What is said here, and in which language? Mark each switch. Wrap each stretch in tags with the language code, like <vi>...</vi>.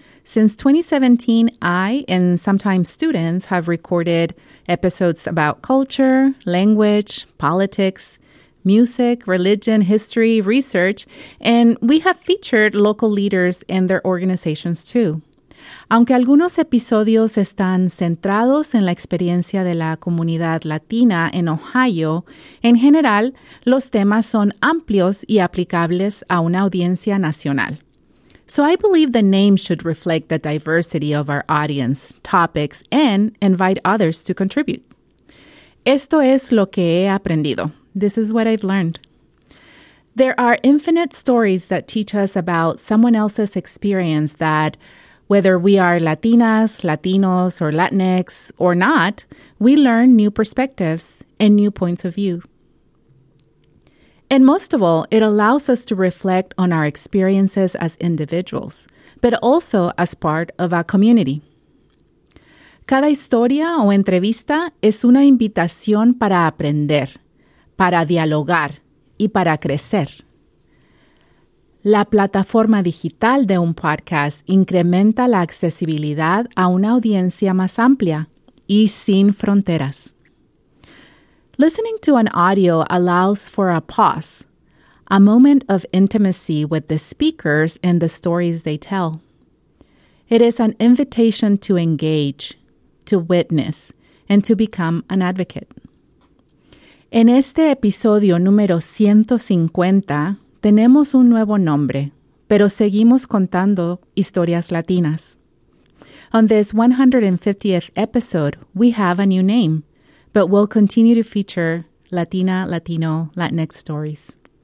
<en>Since 2017, I and sometimes students have recorded episodes about culture, language, politics, music, religion, history, research, and we have featured local leaders and their organizations too.</en> <es>Aunque algunos episodios están centrados en la experiencia de la comunidad latina en Ohio, en general, los temas son amplios y aplicables a una audiencia nacional.</es> <en>So I believe the name should reflect the diversity of our audience, topics, and invite others to contribute.</en> <es>Esto es lo que he aprendido.</es> <en>This is what I've learned. There are infinite stories that teach us about someone else's experience that, whether we are Latinas, Latinos, or Latinx, or not, we learn new perspectives and new points of view. And most of all, it allows us to reflect on our experiences as individuals, but also as part of a community.</en> <es>Cada historia o entrevista es una invitación para aprender, para dialogar, y para crecer. La plataforma digital de un podcast incrementa la accesibilidad a una audiencia más amplia y sin fronteras.</es> <en>Listening to an audio allows for a pause, a moment of intimacy with the speakers and the stories they tell. It is an invitation to engage, to witness, and to become an advocate.</en> <es>En este episodio número 150, tenemos un nuevo nombre, pero seguimos contando historias latinas.</es> <en>On this 150th episode, we have a new name, but we'll continue to feature Latina, Latino, Latinx stories.</en>